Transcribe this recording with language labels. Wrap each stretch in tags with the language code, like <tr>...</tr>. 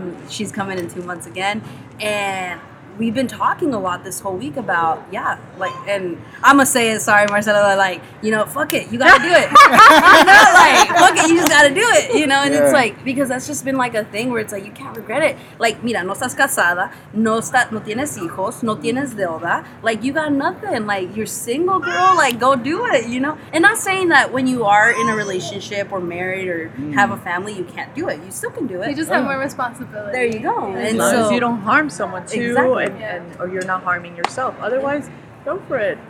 <en>she's coming in 2 months again. And we've been talking a lot this whole week about, and I'm going to say it, sorry, Marcela, like, you know, fuck it, you got to do it. You know, like, fuck it, you just got to do it, you know? And it's like, because that's just been like a thing where it's like, you can't regret it.</en> <es>Like, mira, no estás casada, no tienes hijos, no tienes deuda.</es> <en>Like, you got nothing. Like, you're single, girl, like, go do it, you know? And not saying that when you are in a relationship or married or have a family, you can't do it. You still can do it. You just have more responsibility. There you go. And as long as you don't harm someone, too. Exactly. Or you're not harming yourself. Otherwise, go for it.</en>